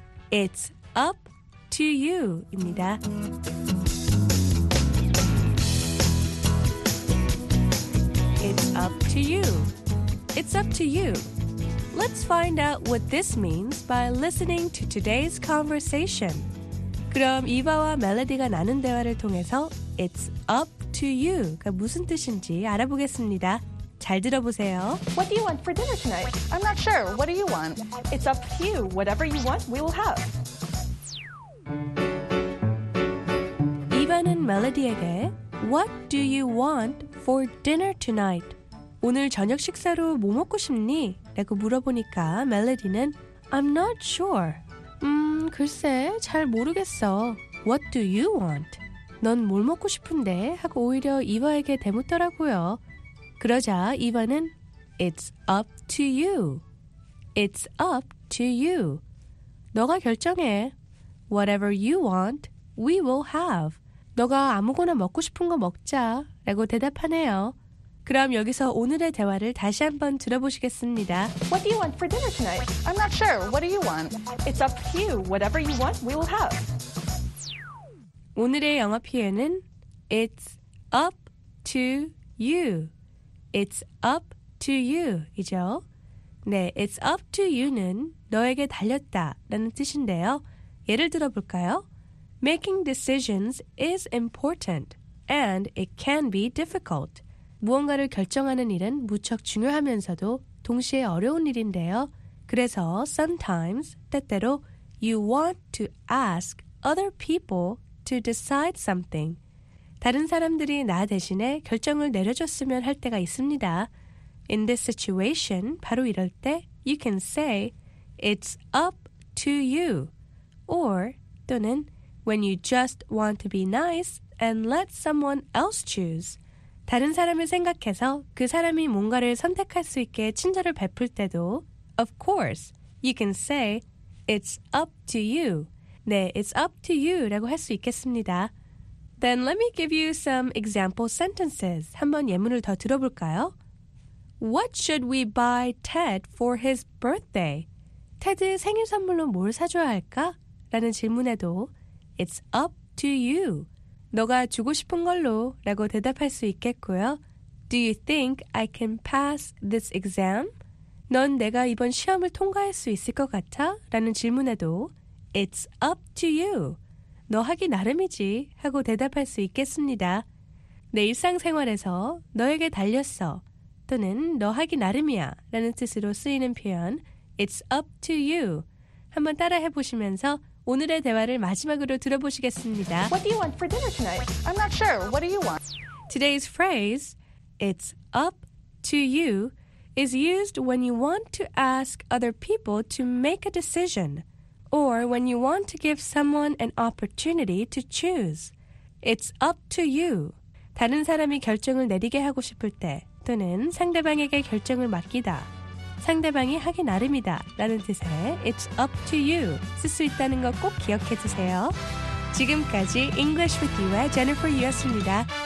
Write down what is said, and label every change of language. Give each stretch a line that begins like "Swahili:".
English: It's up to you입니다. You. It's up to you. Let's find out what this means by listening to today's conversation.
Korean: 그럼 이바와 멜로디가 나눈 대화를 통해서
English: It's up to you
Korean: 가 무슨 뜻인지 알아보겠습니다. 잘 들어보세요.
English: What do you want for dinner tonight? I'm not sure. What do you want? It's up to you. Whatever you want, we will have.
Korean: 이바는 멜로디에게
English: What do you want for dinner tonight?
Korean: 오늘 저녁 식사로 뭐 먹고 싶니? 라고 물어보니까 멜로디는
English: I'm not sure.
Korean: 글쎄, 잘 모르겠어.
English: What do you want?
Korean: 넌 뭘 먹고 싶은데? 하고 오히려 이바에게 대묻더라고요. 그러자 이바는
English: It's up to you. It's up to you.
Korean: 너가 결정해.
English: Whatever you want, we will have.
Korean: 너가 아무거나 먹고 싶은 거 먹자. 라고 대답하네요. 그럼 여기서 오늘의 대화를 다시 한번 들어보시겠습니다.
English: What do you want for dinner tonight? I'm not sure. What do you want? It's up to you. Whatever you want, we will have.
Korean: 오늘의 영어 표현은
English: It's up to you. It's up to you이죠.
Korean: 네,
English: It's up to you
Korean: 는 너에게 달렸다 라는 뜻인데요. 예를 들어볼까요?
English: Making decisions is important and it can be difficult.
Korean: 무언가를 결정하는 일은 무척 중요하면서도 동시에 어려운 일인데요. 그래서
English: sometimes,
Korean: 때때로
English: you want to ask other people to decide something.
Korean: 다른 사람들이 나 대신에 결정을 내려줬으면 할 때가 있습니다.
English: In this situation,
Korean: 바로 이럴 때
English: you can say it's up to you. Or
Korean: 또는
English: when you just want to be nice and let someone else choose.
Korean: 다른 사람을 생각해서 그 사람이 뭔가를 선택할 수 있게 친절을 베풀 때도
English: Of course, you can say, it's up to you.
Korean: 네,
English: it's up to you
Korean: 라고 할 수 있겠습니다.
English: Then let me give you some example sentences.
Korean: 한번 예문을 더 들어볼까요?
English: What should we buy Ted for his birthday?
Korean: 테드 생일 선물로 뭘 사줘야 할까? 라는 질문에도
English: It's up to you.
Korean: 너가 주고 싶은 걸로 라고 대답할 수 있겠고요.
English: Do you think I can pass this exam?
Korean: 넌 내가 이번 시험을 통과할 수 있을 것 같아? 라는 질문에도
English: It's up to you.
Korean: 너 하기 나름이지 하고 대답할 수 있겠습니다. 내 일상생활에서 너에게 달렸어 또는 너 하기 나름이야 라는 뜻으로 쓰이는 표현
English: It's up to you.
Korean: 한번 따라해 보시면서 오늘의 대화를 마지막으로 들어보시겠습니다.
English: What do you want for dinner tonight? I'm not sure. What do you want? Today's phrase, it's up to you, is used when you want to ask other people to make a decision or when you want to give someone an opportunity to choose. It's up to you.
Korean: 다른 사람이 결정을 내리게 하고 싶을 때 또는 상대방에게 결정을 맡기다. 상대방이 하기 나름이다 라는 뜻의
English: It's up to you
Korean: 쓸 수 있다는 거 꼭 기억해 주세요. 지금까지 English with You의 Jennifer Yu였습니다.